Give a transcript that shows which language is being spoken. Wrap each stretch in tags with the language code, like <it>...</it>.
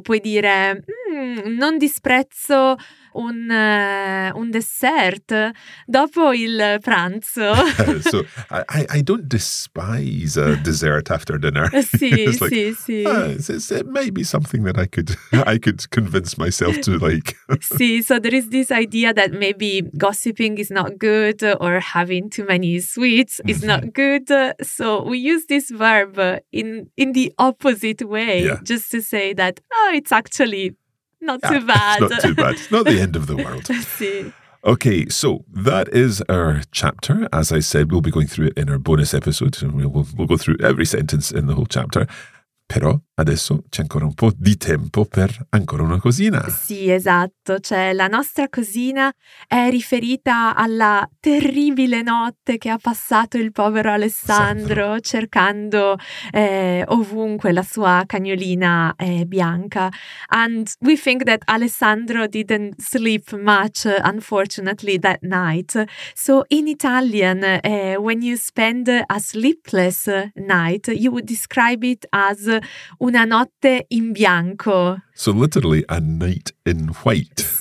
<it>Puoi dire, non disprezzo un dessert dopo il pranzo.</it> <en>So I don't despise a dessert after dinner.</en> <it>Sì.</it> <en>It might be something that I could convince myself to like. Sì, so there is this idea that maybe gossiping is not good or having too many sweets is mm-hmm. not good. So we use this verb in the opposite way, yeah. just to say that, oh, it's actually not too bad. Not too bad. Not the end of the world. See. Okay, so that is our chapter. As I said, we'll be going through it in our bonus episode. And we'll go through every sentence in the whole chapter.</en> <it>Però adesso c'è ancora un po' di tempo per ancora una cosina. Sì, esatto. Cioè, la nostra cosina è riferita alla terribile notte che ha passato il povero Alessandro cercando ovunque la sua cagnolina bianca.</it> <en>And we think that Alessandro didn't sleep much, unfortunately, that night. So in Italian, when you spend a sleepless night, you would describe it as</en> <it>una notte in bianco.</it> <en>So literally a night in white.</en>